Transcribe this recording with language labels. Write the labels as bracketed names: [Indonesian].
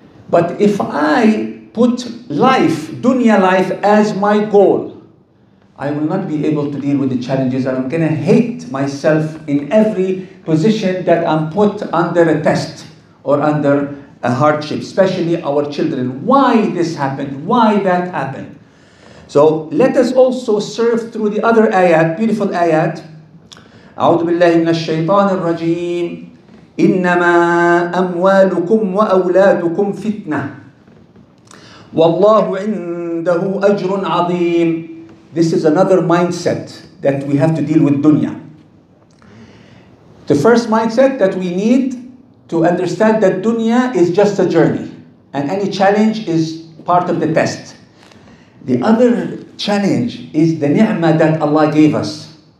[English] But if I put life, dunya life, as my goal, I will not be able to deal with the challenges, and I'm going to hate myself in every position that I'm put under a test or under a hardship, especially our children. Why this happened? Why that happened? So let us also serve through the other ayat, beautiful ayat. [Arabic] أعوذ بالله من الشيطان الرجيم إنما أموالكم وأولادكم فتنة والله عنده أجر عظيم. [English] This is another mindset that we have to deal with dunya. The first mindset that we need to understand that dunya is just a journey and any challenge is part of the test. The other challenge is the ni'mah that Allah gave us.